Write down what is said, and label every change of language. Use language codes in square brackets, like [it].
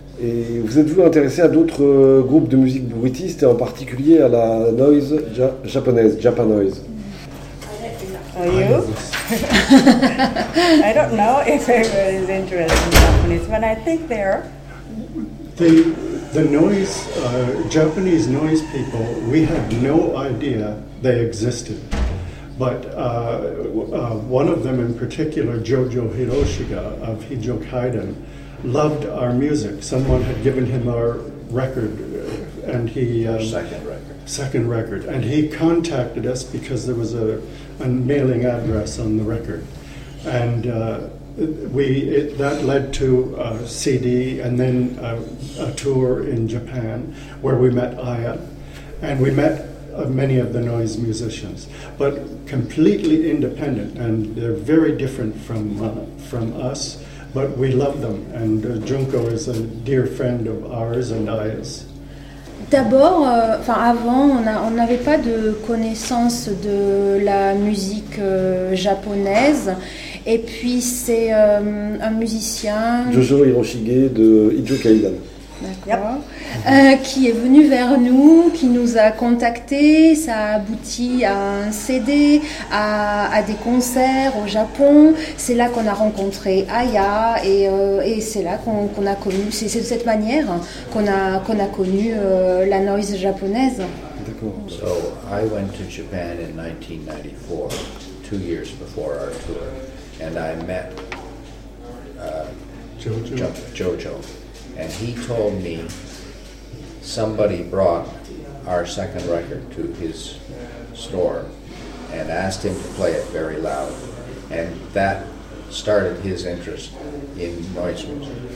[fr] Et vous êtes-vous intéressé à d'autres groupes de musique bruitiste et en particulier à la noise japonaise, Japan noise? [en] I don't know if everyone is interested in Japanese, but I think they are. The noise, Japanese noise people, we had no idea they existed. But one of them in particular, Jojo Hiroshiga of Hijokaiden, loved our music. Someone had given him our record, and he... Second record. And he contacted us because there was a mailing address on the record. And that led to a CD and then a tour in Japan where we met Aya. And we met many of the noise musicians, but completely independent. And they're very different from us, but we love them. And Junko is a dear friend of ours and Aya's. [fr] D'abord, avant, on n'avait pas de connaissance de la musique japonaise. Et puis, c'est un musicien... Jojo Hiroshige de Hijokaiden. D'accord. Yep. Qui est venu vers nous, qui nous a contactés. Ça a abouti à un CD, à des concerts au Japon. C'est là qu'on a rencontré Aya et c'est là qu'on a connu... C'est de cette manière qu'on a connu la noise japonaise. D'accord. [en] So, I went to Japan in 1994, 2 years before our tour. And I met Jojo, and he told me somebody brought our second record to his store and asked him to play it very loud, and that started his interest in noise music.